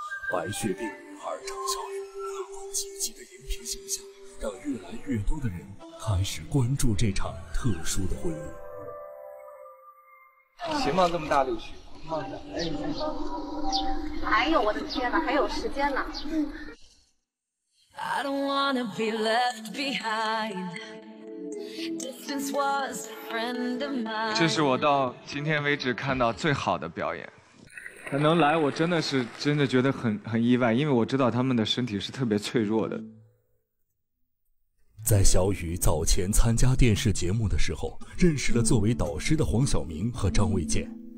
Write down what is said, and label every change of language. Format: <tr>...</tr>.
<zh>白血病女孩张小雨。积极的荧屏形象，让越来越多的人开始关注这场特殊的婚礼。谁冒这么大力气？哎呦，我的天哪，还有时间呢？</zh> <en>I don't wanna be left behind. Distance was a friend of mine.</en> <zh>这是我到今天为止看到最好的表演。他能来，我真的是真的觉得很意外，因为我知道他们的身体是特别脆弱的。在小雨早前参加电视节目的时候，认识了作为导师的黄晓明和张卫健。</zh>